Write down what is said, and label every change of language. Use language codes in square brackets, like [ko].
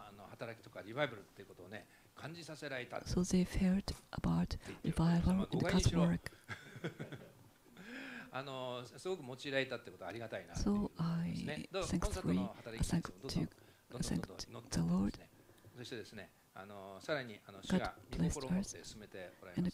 [ja] 働きとかリバイバルっていうことをね感じさせられた。 [en] So they felt about revival and God's work. [ja] すごく用いられたってことはありがたいな。 [en] So I thank the Lord. [ja] そしてですね、さらに主が御心を持って進めておられます